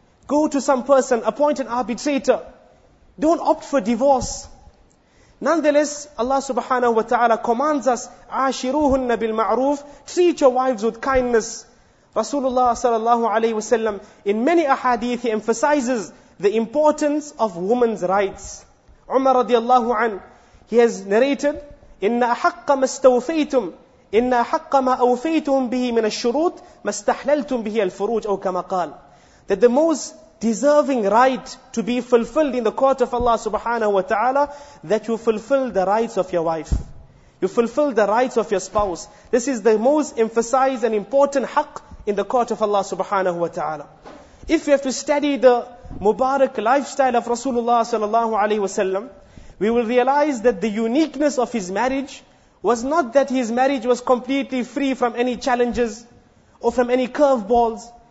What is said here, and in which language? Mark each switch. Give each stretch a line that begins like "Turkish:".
English: Go to some person, appoint an arbitrator. Don't opt for divorce. Nonetheless, Allah subhanahu wa ta'ala commands us, عَاشِرُوهُنَّ بِالْمَعْرُوفِ. Treat your wives with kindness. Rasulullah sallallahu alayhi wa sallam, in many ahadith, he emphasizes the importance of women's rights.
Arabic: Umar radiallahu an,
English: he has narrated,
Arabic: إِنَّ أَحَقَّ مَا اسْتَوْفَيْتُمْ إِنَّ أَحَقَّ مَا أَوْفَيْتُمْ بِهِ مِنَ الشُّرُوطِ مَا اسْتَحْلَلْتُمْ بِهِ الْفُرُوجِ أَوْ كَمَا قَالَ.
English: That the most deserving right to be fulfilled in the court of Allah subhanahu wa ta'ala, that you fulfill the rights of your wife. You fulfill the rights of your spouse. This is the most emphasized and important haqq in the court of Allah subhanahu wa ta'ala. If you have to study the Mubarak lifestyle of Rasulullah sallallahu alayhi wa sallam, we will realize that the uniqueness of his marriage was not that his marriage was completely free from any challenges or from any curveballs.